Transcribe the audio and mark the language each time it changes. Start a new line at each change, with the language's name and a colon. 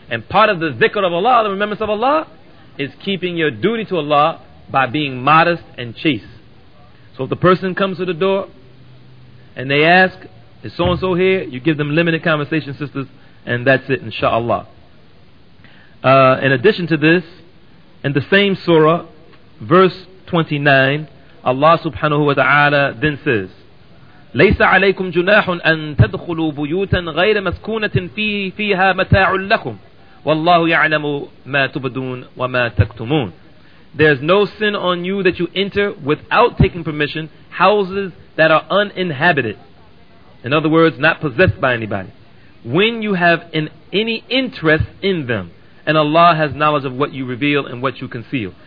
English: And part of the dhikr of Allah, the remembrance of Allah, is keeping your duty to Allah by being modest and chaste. So if the person comes to the door and they ask, is so-and-so here? You give them limited conversation, sisters, and that's it, inshallah. In addition to this, in the same surah, verse 29, Allah subhanahu wa ta'ala then says,
Arabic: لَيْسَ عَلَيْكُمْ جُنَاحٌ أَن تَدْخُلُوا بُيُوتًا غَيْرَ مَسْكُونَةٍ فِيهَا مَتَاعٌ لَكُمْ وَاللَّهُ يَعْلَمُ مَا تُبْدُونَ وَمَا تَكْتُمُونَ.
English: There's no sin on you that you enter without taking permission houses that are uninhabited. In other words, not possessed by anybody. When you have any interest in them, and Allah has knowledge of what you reveal and what you conceal.